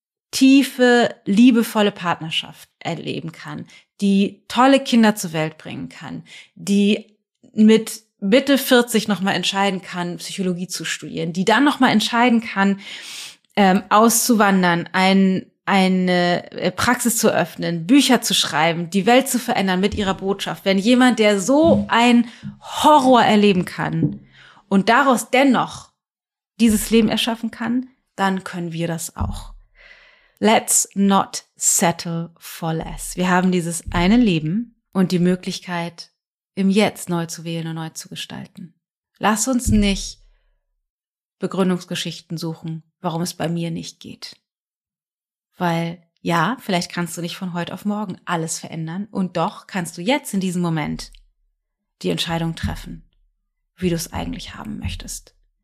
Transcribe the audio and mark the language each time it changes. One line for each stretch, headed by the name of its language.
German: tiefe, liebevolle Partnerschaft erleben kann, die tolle Kinder zur Welt bringen kann, die mit Mitte 40 nochmal entscheiden kann, Psychologie zu studieren, die dann nochmal entscheiden kann, auszuwandern, eine Praxis zu öffnen, Bücher zu schreiben, die Welt zu verändern mit ihrer Botschaft. Wenn jemand, der so ein Horror erleben kann und daraus dennoch dieses Leben erschaffen kann, dann können wir das auch.
English: Let's not settle for less.
German: Wir haben dieses eine Leben und die Möglichkeit, im Jetzt neu zu wählen und neu zu gestalten. Lass uns nicht Begründungsgeschichten suchen, warum es bei mir nicht geht. Weil ja, vielleicht kannst du nicht von heute auf morgen alles verändern und doch kannst du jetzt in diesem Moment die Entscheidung treffen, wie du es eigentlich haben möchtest.